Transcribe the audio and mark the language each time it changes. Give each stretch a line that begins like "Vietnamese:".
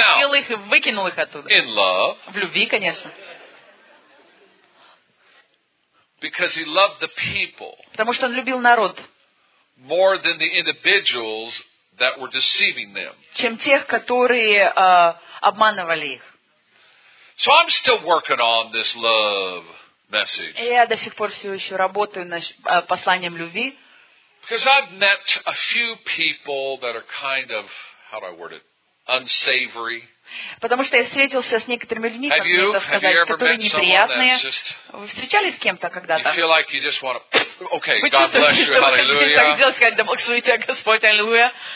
Russian: Схватил их и выкинул их оттуда.
English: In love.
Russian: В любви, конечно.
English: Because he loved the people.
Russian: Потому что он любил народ.
English: More than the individuals that were deceiving them.
Russian: Чем тех, которые обманывали их.
English: So I'm still working on this love message.
Russian: Я до сих пор все еще работаю над посланием любви.
English: Because I've met a few people that are kind of, how do I word it, unsavory.
Russian: Потому что я встретился с некоторыми людьми, как мне это сказать, которые неприятные. Вы встречались с кем-то когда-то?
English: You feel like you just want to, okay, God bless you, hallelujah.
Russian: Так делать, сказать, да благослови тебя, Господь, аллилуйя.